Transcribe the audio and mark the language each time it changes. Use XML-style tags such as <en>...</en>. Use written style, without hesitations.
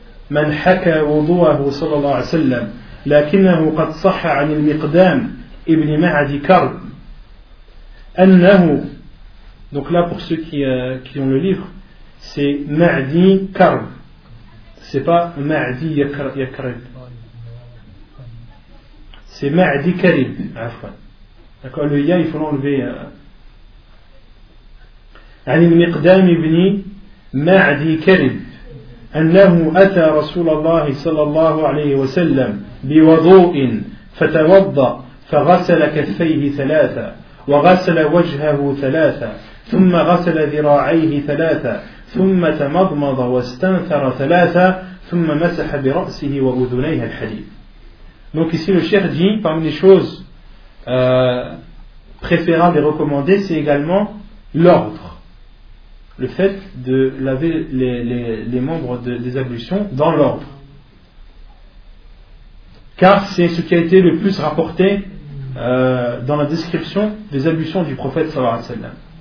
<ar>من حكى وضوءه صلى الله عليه وسلم لكنه قد صح عن المقدام ابن معدي كرب أنه</ar> <fr>donc là pour ceux qui ont le livre c'est معدي كرب c'est pas معدي يكرب c'est معدي كرب d'accord le ya il faut l'enlever</fr> <ar>عن المقدام ابن معدي كرب أنه أتى رسول الله صلى الله عليه وسلم بوضوء فتوضأ فغسل كفيه ثلاثة وغسل وجهه ثلاثة ثم غسل ذراعيه ثلاثة ثم تمضمض واستنثر ثلاثة ثم مسح برأسه وأذنيه الحليب.</ar> <fr>Donc ici le cheikh dit parmi les choses préférables et recommandées c'est également l'ordre. Le fait de laver les membres des ablutions dans l'ordre. Car c'est ce qui a été le plus rapporté dans la description des ablutions du prophète sallallahu alayhi wa sallam.</fr>